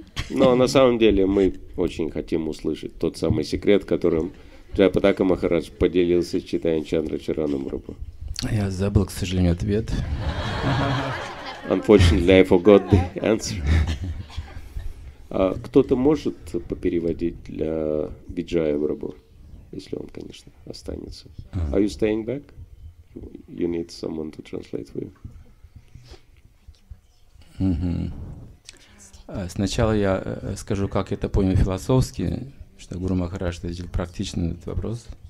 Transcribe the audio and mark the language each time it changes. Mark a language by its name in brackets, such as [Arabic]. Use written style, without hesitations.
[Russian] Но на самом деле мы очень хотим услышать тот самый секрет, которым Джайапатака Махарадж поделился с Чайтанья Чандрачараном Прабху. Я забыл, к сожалению, ответ. [English] Unfortunately, I forgot the answer. [Russian] Кто-то может попереводить для Виджая Прабху, если он, конечно, останется. [English] Are you staying back? You need someone to translate for you. Mm-hmm. [Russian] Сначала я скажу, как я это понял философски, что Гуру Махарадж ответил практично на этот вопрос.